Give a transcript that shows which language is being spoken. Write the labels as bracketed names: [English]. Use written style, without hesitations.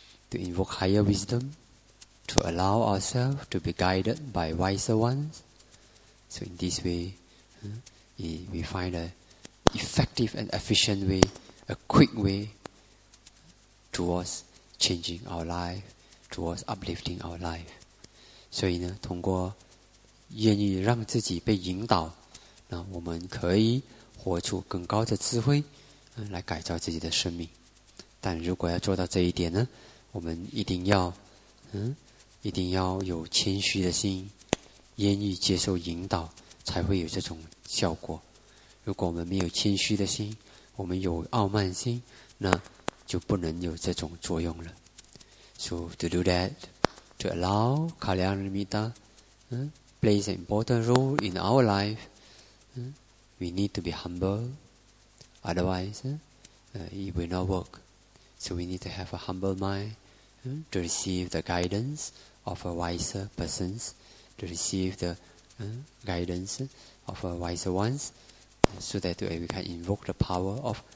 [English] To invoke higher wisdom, to allow ourselves to be guided by wiser ones. So in this way, we find an effective and efficient way, a quick way towards changing our life, towards uplifting our life. [Chinese] 所以呢，通过愿意让自己被引导，那我们可以活出更高的智慧，来改造自己的生命。但如果要做到这一点呢，我们一定要一定要有谦虚的心，愿意接受引导，才会有这种效果。如果我们没有谦虚的心，我们有傲慢心，那就不能有这种作用了。 [English] So to do that, to allow Kalyanamita plays an important role in our life, we need to be humble, otherwise it will not work. So we need to have a humble mindto receive the guidance of a wiser person, to receive the guidance of a wiser ones, so that we can invoke the power of